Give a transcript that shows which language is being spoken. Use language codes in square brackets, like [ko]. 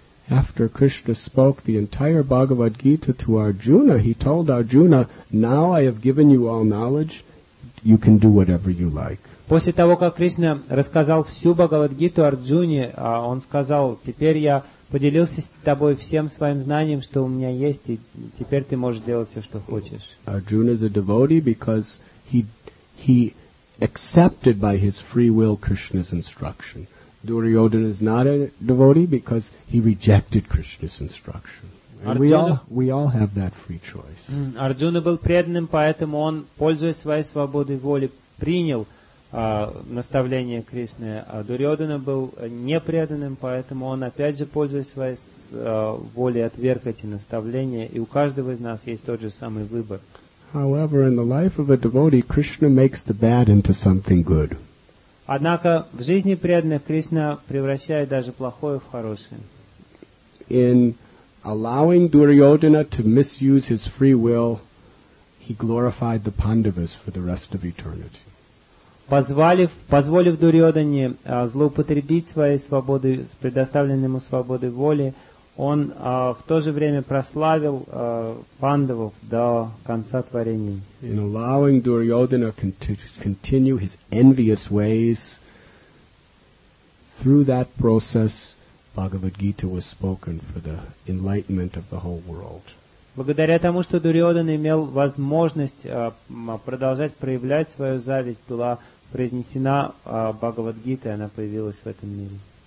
[en] After Krishna spoke the entire Bhagavad Gita to Arjuna, he told Arjuna, "Now I have given you all knowledge; you can do whatever you like." [ru] После того, как Кришна рассказал всю Бхагавад-гиту Арджуне, он сказал: "Теперь я поделился с тобой всем своим знанием, что у меня есть, и теперь ты можешь делать все, что хочешь." [en] Arjuna is a devotee because he accepted by his free will Krishna's instruction. Duryodhana is not a devotee because he rejected Krishna's instruction. And we all have that free choice. [ru] Arjuna был преданным, поэтому он, пользуясь своей свободой воли, принял наставление Кришны. Дурьодхана был непреданным, поэтому он опять же, пользуясь своей волей, отверг эти наставления, и у каждого из нас есть тот же самый выбор. [en] However, in the life of a devotee, Krishna makes the bad into something good. [ru] Однако в жизни преданных Кришна превращает даже плохое в хорошее. [en] In allowing Duryodhana to misuse his free will, he glorified the Pandavas for the rest of eternity. [ru] Позволив Дурьодхане злоупотребить своей свободой, предоставленной ему свободой воли, он в то же время прославил пандавов до конца творений. [en] In allowing Duryodhana to continue his envious ways, through that process, Bhagavad Gita was spoken for the enlightenment of the whole world. [ru] Благодаря тому, что Дурьодхана имел возможность продолжать проявлять свою зависть, была произнесена Бхагавад-гита, и она появилась в этом мире.